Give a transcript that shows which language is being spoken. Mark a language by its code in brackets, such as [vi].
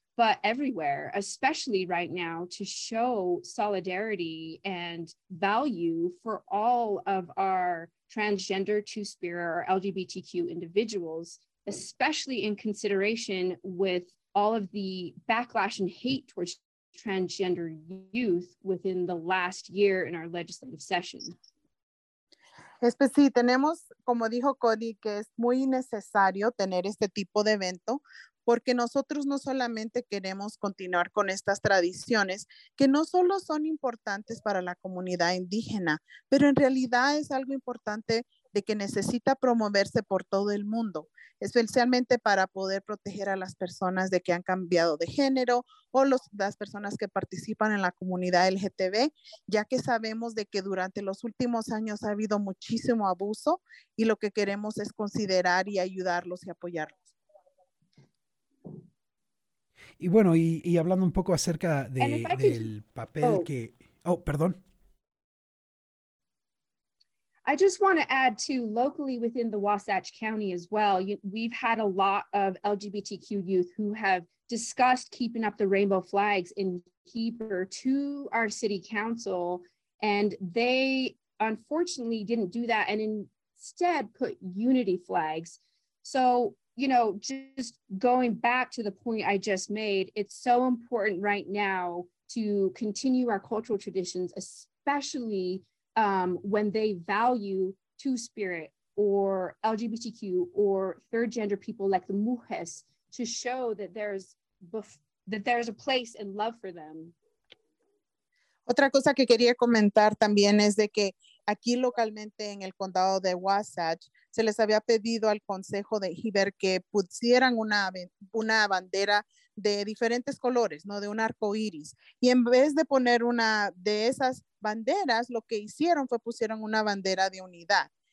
[en] but everywhere, especially right now, to show solidarity and value for all of our transgender, two-spirit, or LGBTQ individuals, especially in consideration with all of the backlash and hate towards transgender youth within the last year in our legislative session. [es] Es que sí, tenemos, como dijo Cody, que es muy necesario tener este tipo de evento, porque nosotros no solamente queremos continuar con estas tradiciones, que no solo son importantes para la comunidad indígena, pero en realidad es algo importante de que necesita promoverse por todo el mundo, especialmente para poder proteger a las personas de que han cambiado de género o las personas que participan en la comunidad LGTB, ya que sabemos de que durante los últimos años ha habido muchísimo abuso y lo que queremos es considerar y ayudarlos y apoyarlos. Y bueno, y hablando un poco acerca del papel que... Oh, perdón. [en] I just want to add too, locally within the Wasatch County as well, we've had a lot of LGBTQ youth who have discussed keeping up the rainbow flags in Heber to our city council, and they unfortunately didn't do that and instead put unity flags. So, you know, just going back to the point I just made, it's so important right now to continue our cultural traditions, especially when they value two-spirit or LGBTQ or third gender people like the Mujes, to show that there's a place and love for them. [es] Otra cosa que quería comentar también es de que aquí localmente en el condado de Wasatch se les había pedido al Consejo de Heber que pusieran una bandera de diferentes colores, ¿no? De un arco iris. Y en vez de poner una de esas banderas, lo que hicieron fue pusieron una bandera de unidad.